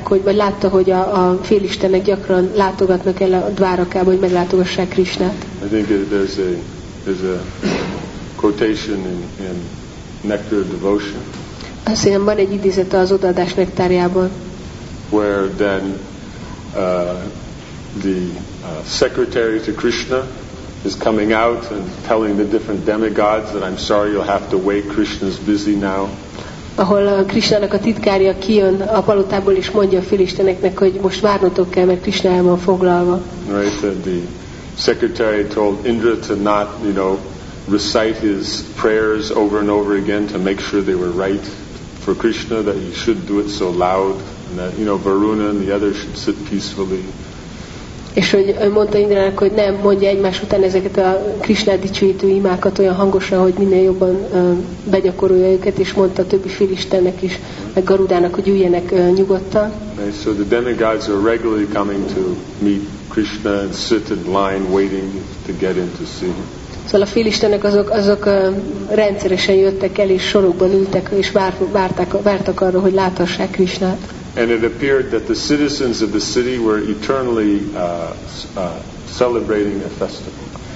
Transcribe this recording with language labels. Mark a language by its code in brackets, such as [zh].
[hu] Látta, hogy a félistenek gyakran látogatnak el a Dvárakába, hogy meglátogassák Krishnát. [en] I think there's a quotation in Nectar of Devotion. [hu] Azt hiszem, van egy idézete az odaadás nektárjában. [en] Where then the secretary to Krishna is coming out and telling the different demigods that I'm sorry, you'll have to wait, Krishna's busy now. [hu] Ahol Krishnának a titkárja kijön a palotából és mondja a félisteneknek, hogy most várnotok kell, mert Krishna el van foglalva. [en] Right, and the secretary told Indra to not, you know, recite his prayers over and over again to make sure they were right for Krishna, that he should do it so loud, and that, you know, Varuna and the others should sit peacefully. [hu] És hogy mondta Indrának, hogy nem mondja egymás után ezeket a Krishna dicsőítő imákat olyan hangosan, hogy minél jobban begyakorolja őket, és mondta a többi félistennek is, meg Garudának, hogy üljenek nyugodtan. [en] Okay, so the demigods are regularly coming to meet Krishna and sit in line waiting to get in to see him. [hu] Szóval a félistenek azok rendszeresen jöttek el, és sorokban ültek, és vártak arra, hogy láthassák Krishnát. [en] And it appeared that the citizens of the city were eternally celebrating a festival.